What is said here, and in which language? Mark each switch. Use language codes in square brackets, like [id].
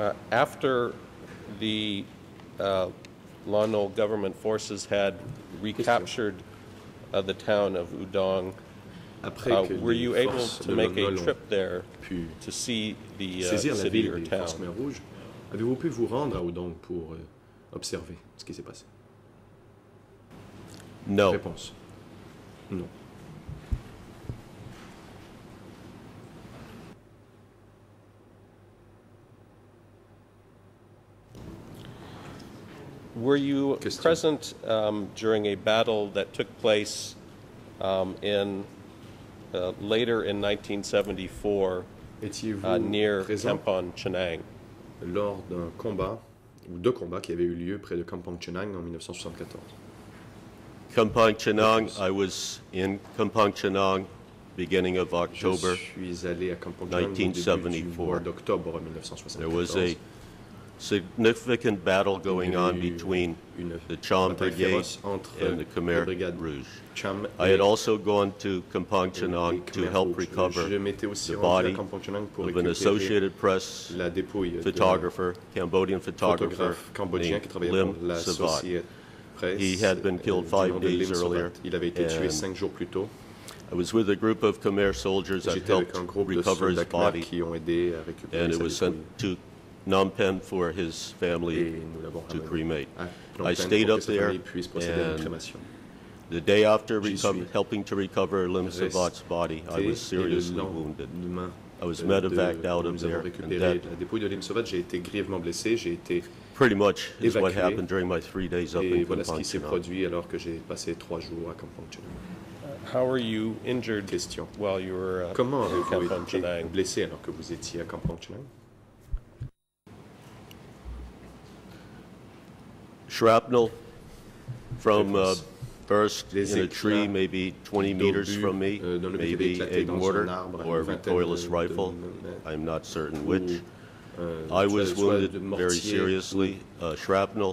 [en] After the Lon Nol government forces had recaptured the town of Udong, were you able to make a trip there to see the city or town? [fr] Avez-vous pu vous rendre à Udong pour observer ce qui s'est passé? Non. Réponse. Non. Were you Question. Present during a battle that took place in later in 1974 near Kampong Chenang? Lors d'un combat, ou deux combats qui avaient eu lieu près de Kampong Chenang en 1974. [en] Kampong Chenang, I was in Kampong Chenang beginning of October. [fr] Je suis allé à Kampong Chenang 1974. Au début du mois d'octobre 1974. [en] There was a significant battle going on between the Cham Brigade and the Khmer Rouge. I had also gone to Kampong Chenang to help recover the body of an Associated Press photographer, Cambodian photographer [fr] Cambodgien qui travaillait [en] Lim [fr] la [en] Savat. [fr] Presse, [en] he had been killed 5 days earlier. [fr] Il avait été tué 5 jours plus tôt. [en] I was with a group of Khmer soldiers that helped recover his body, [fr] qui ont aidé à récupérer [en] and it was sent to Phnom Penh for his family to cremate. I stayed up there and the day after helping to recover Lim Savat's body, I was seriously wounded. I was medevaced out of there. [fr] La dépouille de Lim Savat, j'ai été grièvement blessé. J'ai été [en] pretty much is what happened during my 3 days up in Kampong Chenang. [fr] Et voilà ce qui s'est produit alors que j'ai passé 3 jours à Kampong Chenang. [en] How were you injured Question. While you were [fr] Comment [en] in Kampong Chenang? [fr] Comment avez-vous été blessé alors que vous étiez à Kampong Chenang? [en] Shrapnel from burst in a tree maybe 20 meters from me, maybe a mortar or a recoilless rifle, I'm not certain which. I was wounded very seriously, shrapnel